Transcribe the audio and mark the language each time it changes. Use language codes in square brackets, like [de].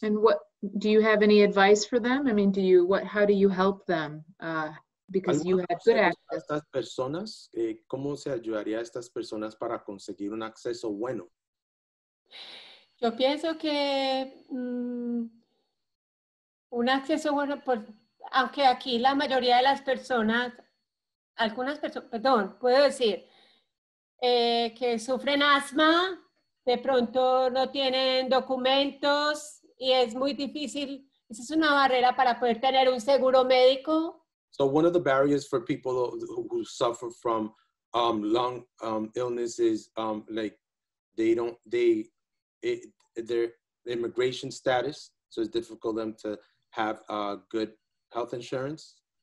[en] And what do you have any advice for them? I mean, how do you help them? Because you had good access. [es] Estas personas, ¿cómo se ayudaría a estas personas para conseguir un acceso bueno? Yo pienso que un acceso bueno, pues, aunque aquí la mayoría de las personas, algunas personas, perdón, puedo decir, que sufren asma, de pronto no tienen documentos y es muy difícil. Esa es una barrera para poder tener un seguro médico. [en] So one of the barriers for people who suffer from lung illness is like they don't, they, it, their immigration status, so it's difficult for them to have good health insurance.